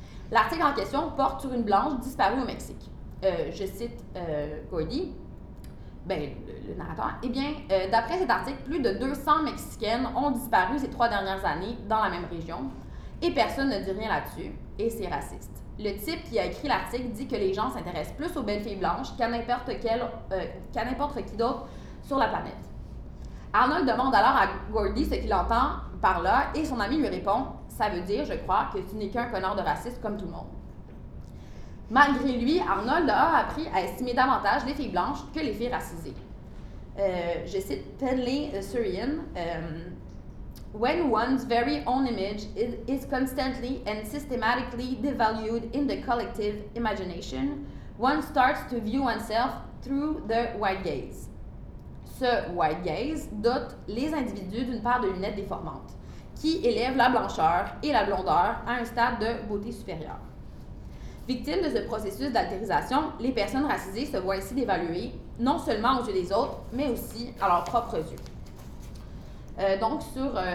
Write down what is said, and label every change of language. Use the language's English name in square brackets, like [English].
[French] L'article en question porte sur une blanche disparue au Mexique. Je cite Gordy, ben, le narrateur, « Eh bien, d'après cet article, plus de 200 Mexicaines ont disparu ces trois dernières années dans la même région et personne ne dit rien là-dessus et c'est raciste. » Le type qui a écrit l'article dit que les gens s'intéressent plus aux belles filles blanches qu'à n'importe qui d'autre sur la planète. Arnold demande alors à Gordy ce qu'il entend par là et son ami lui répond « Ça veut dire, je crois, que tu n'es qu'un connard de raciste comme tout le monde. » Malgré lui, Arnold a appris à estimer davantage les filles blanches que les filles racisées. Je cite [English] Penley Surian When one's very own image is constantly and systematically devalued in the collective imagination, one starts to view oneself through the white gaze. [French] Ce white gaze dote les individus d'une paire de lunettes déformantes, qui élève la blancheur et la blondeur à un stade de beauté supérieure. Victimes de ce processus d'altérisation, les personnes racisées se voient ainsi dévaluées, non seulement aux yeux des autres, mais aussi à leurs propres yeux.